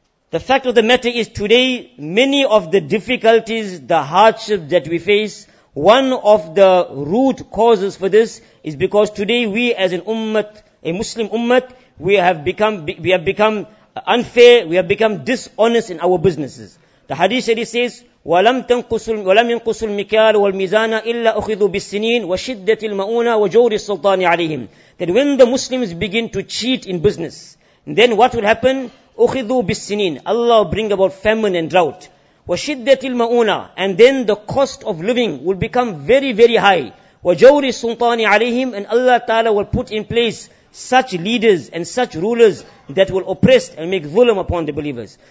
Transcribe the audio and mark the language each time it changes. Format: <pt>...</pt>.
<en>The fact of the matter is today, many of the difficulties, the hardships that we face, one of the root causes for this is because today we as an ummah, a Muslim ummah, we have become unfair, we have become dishonest in our businesses. The hadith Sharif says,</en> <ar>وَلَمْ يَنْقُسُ الْمِكَالُ وَالْمِزَانَ إِلَّا أُخِذُوا بِالسِّنِينَ وَشِدَّةِ الْمَؤُونَ وَجَوْرِ السُّلْطَانِ عَلَيْهِمْ.</ar> <en>That when the Muslims begin to cheat in business, then what will happen?</en> <ar>أُخِذُوا بِالسِّنِينَ.</ar> <en>Allah will bring about famine and drought.</en> <ar>وَشِدَّةِ الْمَؤُونَ.</ar> <en>And then the cost of living will become very, very high.</en> <ar>وَجَوْرِ السُّلْطَانِ عَلَيْهِمْ.</ar> <en>And Allah Ta'ala will put in place such leaders and such rulers that will oppress and make zulm upon the believers.</en>